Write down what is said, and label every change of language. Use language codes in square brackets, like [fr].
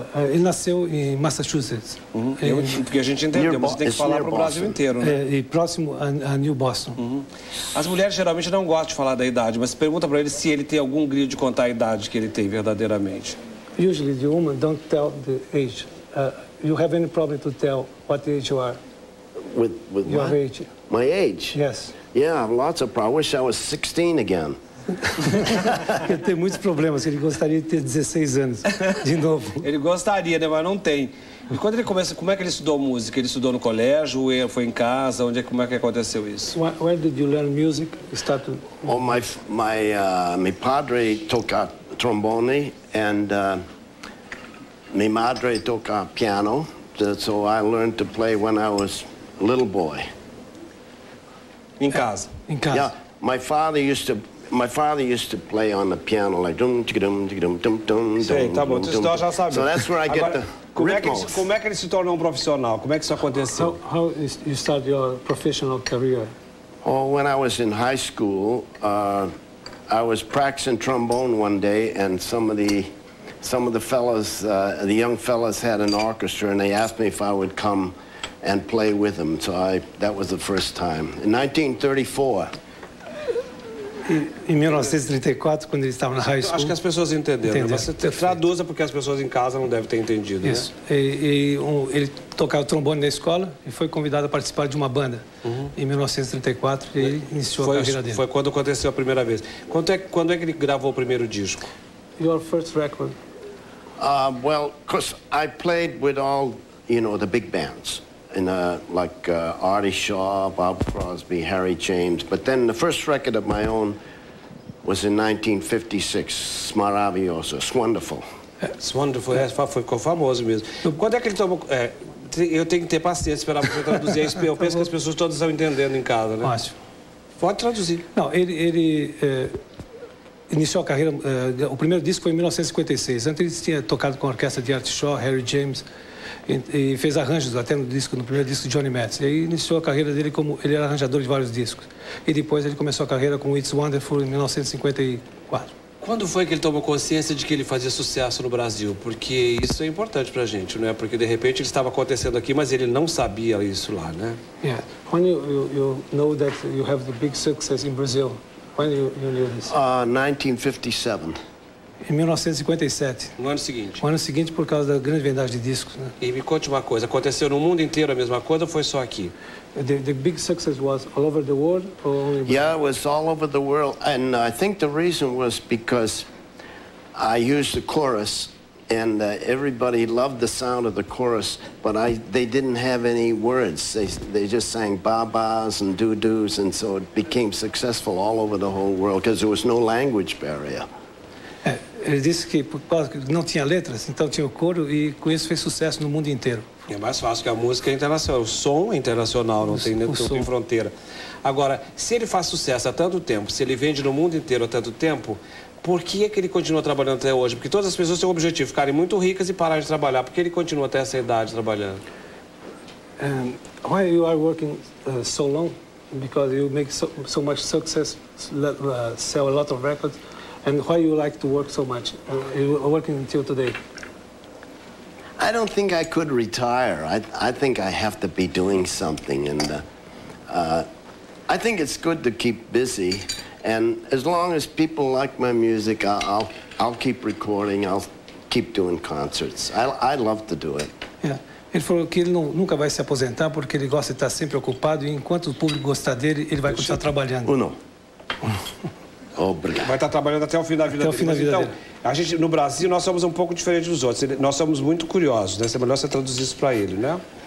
[pt] Ele nasceu em Massachusetts. Porque a gente entendeu, mas tem que falar para o Brasil inteiro, né? E próximo a New Boston. As mulheres geralmente não gostam de falar da idade, mas pergunta para ele se ele tem algum grito de contar a idade que ele tem verdadeiramente. [en] Usually the woman don't tell the age. You have any problem to tell what age you are? With your what? Age. My age? Yes. Yeah, I have lots of problems. I wish I was 16 again. [pt] Ele tem muitos problemas, ele gostaria de ter 16 anos de novo. Ele gostaria, né? Mas não tem. E quando ele começa, como é que ele estudou música? Ele estudou no colégio, foi em casa, onde é, como é que aconteceu isso? [en] Where did you learn music? Start to... Oh, my padre toca trombone and my madre toca piano. So I learned to play when I was a little boy. [pt] Em casa. Em casa. [en] Yeah, my father used to play on the piano like dum dum dum dum dum dum dum. [pt] Sei, tá bom, tu já sabe. [en] So that's where I get the rhythms. [pt] Como é que ele se tornou um profissional? Como é que isso aconteceu? [en] How is you start your professional career? Oh, when I was in high school, I was practicing trombone one day, and some of the fellows, the young fellows had an orchestra, and they asked me if I would come and play with them. So that was the first time in 1934. [pt] Em 1934, quando ele estava na high school... Acho que as pessoas entenderam, né? Você traduza porque as pessoas em casa não devem ter entendido isso, né? Ele tocava trombone na escola e foi convidado a participar de uma banda. Em 1934, ele iniciou a carreira dele. Foi quando aconteceu a primeira vez. Quando é que ele gravou o primeiro disco? [en] Your first record. Well, because I played with all, you know, the big bands. In a, like Artie Shaw, Bob Crosby, Harry James. But then the first record of my own was in 1956, Maravilhoso, It's Wonderful. [pt] It's Wonderful, ficou famoso mesmo. Quando é que ele tomou... eu tenho que ter paciência para você traduzir isso, porque eu penso que as pessoas todas estão entendendo em casa, né? Fácil. Pode traduzir. Não, ele iniciou a carreira... o primeiro disco foi em 1956. Antes ele tinha tocado com a orquestra de Artie Shaw, Harry James... E fez arranjos até no primeiro disco de Johnny Mathis. E aí iniciou a carreira dele como... Ele era arranjador de vários discos. E depois ele começou a carreira com It's Wonderful em 1954. Quando foi que ele tomou consciência de que ele fazia sucesso no Brasil? Porque isso é importante pra gente, não é? Porque de repente ele estava acontecendo aqui, mas ele não sabia isso lá, né? [en] Yeah. When you know that you have the big success in Brazil, when you knew this? 1957. [pt] Em 1957. No ano seguinte? No ano seguinte, por causa da grande vendagem de discos, né? E me conte uma coisa, aconteceu no mundo inteiro a mesma coisa ou foi só aqui? [en] The big success was all over the world or only Brazil? Yeah, it was all over the world. And I think the reason was because I used the chorus and everybody loved the sound of the chorus, but they didn't have any words. They just sang ba-bas and doo-doos, and so it became successful all over the whole world because there was no language barrier. [pt] Ele disse que por causa que não tinha letras, então tinha o coro e com isso fez sucesso no mundo inteiro. É mais fácil que a música é internacional, o som é internacional, não tem fronteira. Agora, se ele faz sucesso há tanto tempo, se ele vende no mundo inteiro há tanto tempo, por que é que ele continua trabalhando até hoje? Porque todas as pessoas têm o objetivo, ficarem muito ricas e parar de trabalhar. Por que ele continua até essa idade trabalhando? [en] Why you are working so long? Because you make so much success, sell a lot of records. And why you like to work so much? You're working until today. I don't think I could retire. I think I have to be doing something. And I think it's good to keep busy. And as long as people like my music, I'll keep recording. I'll keep doing concerts. I love to do it. Yeah. [pt] Ele falou que ele nunca vai se aposentar porque ele gosta de estar sempre ocupado. E enquanto o público gostar dele, ele vai continuar trabalhando. Uno. Obrigado. Vai estar trabalhando até o fim da vida dele. Até o fim da vida dele. Então, a gente, no Brasil, nós somos um pouco diferentes dos outros. Nós somos muito curiosos, né? É melhor você traduzir isso para ele, né?